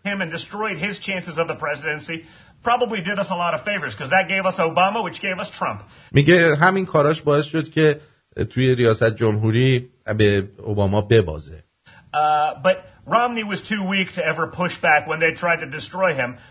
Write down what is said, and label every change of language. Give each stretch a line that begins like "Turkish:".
English: Him and destroyed his chances of the presidency. Probably did us a lot of favors because that gave us Obama, which gave us Trump.
Persian: میگه همین کاراش باعث شد که توی ریاست جمهوری به اوباما ببازه.
English: But Romney was too weak to ever push back when they tried to destroy him.